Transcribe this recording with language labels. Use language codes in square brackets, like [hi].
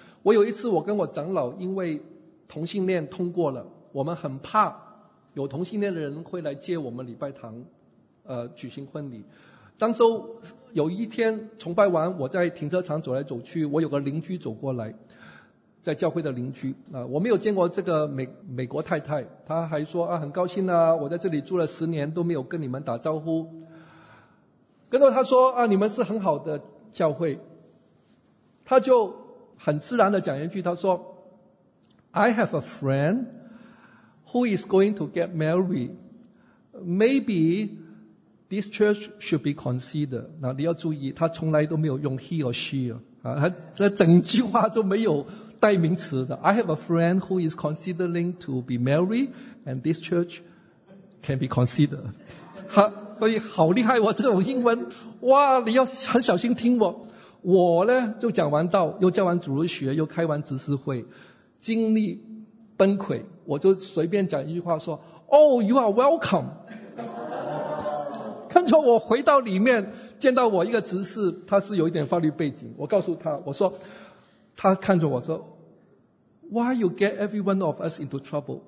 [zh] 我有一次我跟我长老因为同性恋通过了，我们很怕有同性恋的人会来接我们礼拜堂举行婚礼。当时有一天崇拜完，我在停车场走来走去，我有个邻居走过来，在教会的邻居我没有见过这个美国太太，她还说很高兴我在这里住了十年都没有跟你们打招呼。跟着她说你们是很好的教会，她就很自然的讲一句，她说 I have a friend who is going to get married, maybe this church should be considered。那你要注意，她从来都没有用 he or she 这整句话就没有代名词的。 [en] I have a friend who is considering to be married and this church can be considered 所以好厉害这种英文，哇，你要很小心听。 [zh] 我呢就讲完道，又教完主日学，又开完执事会，精力崩溃，我就随便讲一句话说 Oh, you are welcome。看着我回到里面见到我一个执事，他是有一点法律背景，我告诉他，我说，他看着我说 Why you get every one of us into trouble?